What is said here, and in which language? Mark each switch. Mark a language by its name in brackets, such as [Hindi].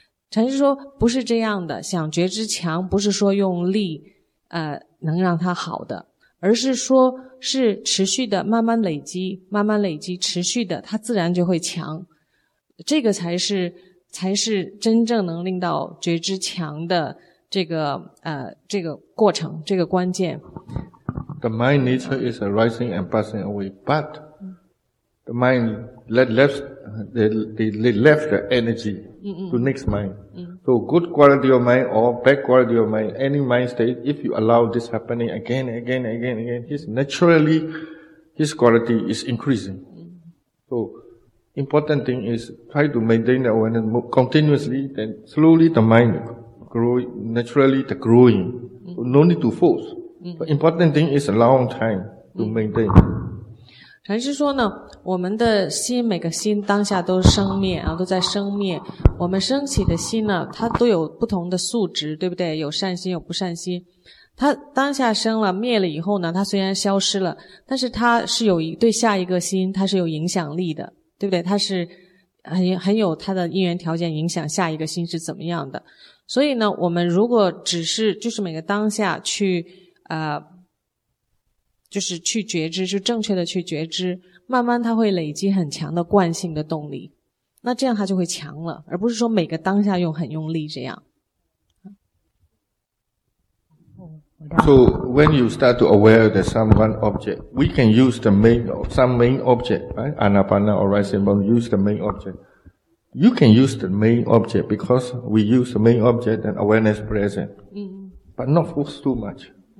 [Chinese] 禅师说不是这样的，想觉知强不是说用力能让它好的，而是说是持续的慢慢累积，慢慢累积持续的它自然就会强。这个才是真正能令到觉知强的这个过程，这个关键。 [English] The mind nature is arising and passing away, but the mind left the energy to next mind. So good quality of mind or bad quality of mind, any mind state, if you allow this happening again and again and again, again, his quality is increasing. So important thing is try to maintain the awareness continuously, then slowly the mind grow, naturally the growing. So no need to force. The important thing is a long time to maintain. [Chinese] 禅师说呢，我们的心每个心当下都生灭啊，都在生灭。我们升起的心呢，它都有不同的素质，对不对？有善心，有不善心。它当下生了灭了以后呢，它虽然消失了，但是它是有对下一个心，它是有影响力的，对不对？它是很有它的因缘条件影响下一个心是怎么样的。所以呢，我们如果只是就是每个当下去就是去觉知，就正确的去觉知，慢慢它会累积很强的惯性的动力，那这样它就会强了，而不是说每个当下用很用力这样。 [English] So when you start to aware that some one object, we can use the main some main object, right? Anapana or rising bone, use the main object. You can use the main object because we use the main object and awareness present, but not force too much.